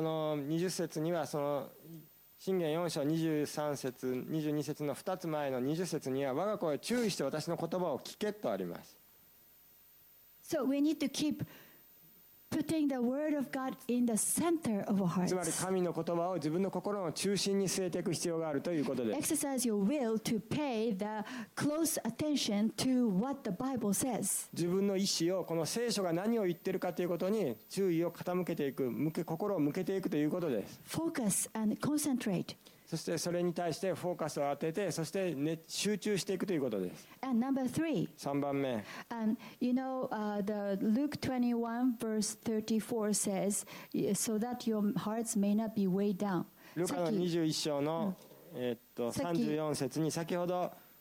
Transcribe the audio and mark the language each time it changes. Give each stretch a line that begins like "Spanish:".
Japanese: この20節にはその箴言4章23節22節の2つ前の20節には、我が子を注意して私の言葉を聞けとあります。
English: So we need to keep putting the word of God in the center of our hearts.
Japanese: つまり神の言葉を自分の心の中心に据えていく必要があるということです。
English: Exercise your will to pay the close attention to what the Bible says.
Japanese: 自分の意思をこの聖書が何を言っているかということに注意を傾けていく、心を向けていくということです。
English: Focus and concentrate.
Japanese: そしてそれに対してフォーカスを当てて、そして集中していくということです。
English: And number three.
Japanese: 3番目。
English: And you know, the Luke 21 verse 34 says, so that your hearts may not be weighed down.
Japanese: ルカの21章の34節に先ほど